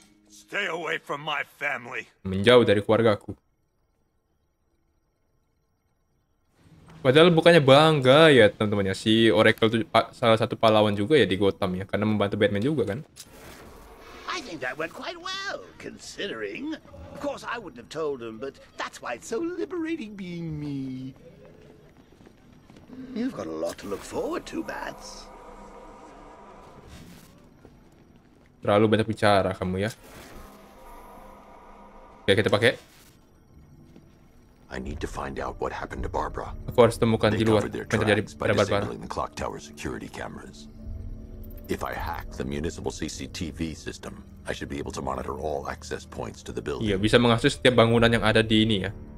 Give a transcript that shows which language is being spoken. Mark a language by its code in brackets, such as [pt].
[en] Stay away from my family. [id] Menjauh dari keluargaku. Padahal bukannya bangga ya teman-temannya, si Oracle tuh salah satu pahlawan juga ya di Gotham ya, karena membantu Batman juga kan. [en] I think that went quite well, considering. Of course, I wouldn't have told him, but that's why it's so liberating being me. You've got a lot to look forward to, Bats. [id] Terlalu banyak bicara kamu ya. Oke, kita pakai. [en] I need to find out what happened to Barbara. [id] Aku harus temukan di luar apa yang terjadi pada Barbara. [en] The clock tower security cameras. If I hack the municipal CCTV system, I should be able to monitor all access points to the building. [id] Iya, bisa mengakses setiap bangunan yang ada di ini ya.